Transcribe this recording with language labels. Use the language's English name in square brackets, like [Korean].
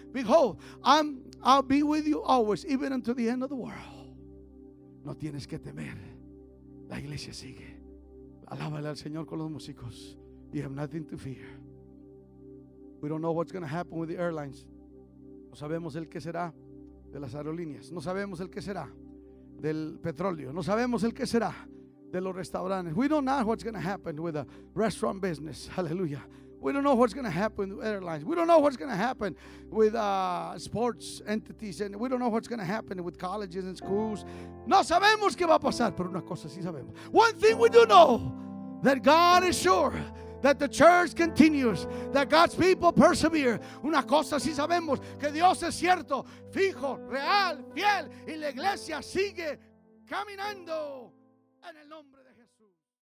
[English] Behold, I'll be with you always, even until the end of the world. [Spanish] No tienes que temer. La iglesia sigue. Alábale al Señor con los músicos. [English] You have nothing to fear. We don't know what's going to happen with the airlines. [Spanish] No sabemos el qué será de las aerolíneas. No sabemos el qué será del petróleo. No sabemos el qué será de los restaurantes. [English] We don't know what's going to happen with the restaurant business. Hallelujah. We don't know what's going to happen with airlines. We don't know what's going to happen with sports entities. And we don't know what's going to happen with colleges and schools. [Spanish] No sabemos qué va a pasar, pero una cosa sí sabemos. [English] One thing we do know, that God is sure that the church continues, that God's people persevere. [Spanish] Una cosa sí sabemos, que Dios es cierto, fijo, real, fiel, y la iglesia sigue caminando. En el nombre